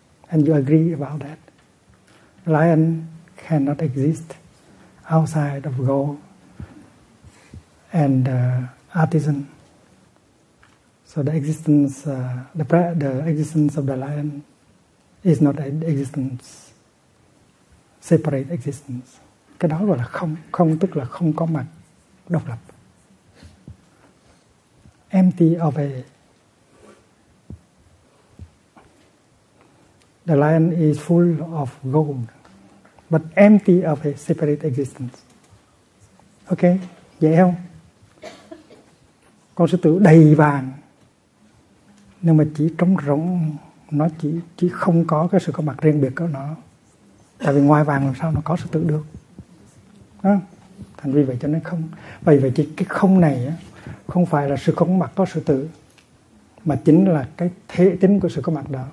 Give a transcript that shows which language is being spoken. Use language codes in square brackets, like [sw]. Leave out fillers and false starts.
[en] And you agree about that. Lion cannot exist outside of gold and artisan. So the existence of the lion is not an existence, separate existence. [vi] Cái đó gọi là không, không tức là không có mặt, độc lập. [en] Empty of a... The lion is full of gold, but empty of a separate existence. [vi] Ok, dễ không? Con sư tử đầy vàng, nhưng mà chỉ trống rỗng, nó chỉ không có cái sự có mặt riêng biệt của nó. Tại vì ngoài vàng làm sao nó có sự tự được. Đó. Thành vì vậy cho nên không. Vậy chỉ cái không này á, không phải là sự có mặt có sự tự, mà chính là cái thể tính của sự có mặt đó.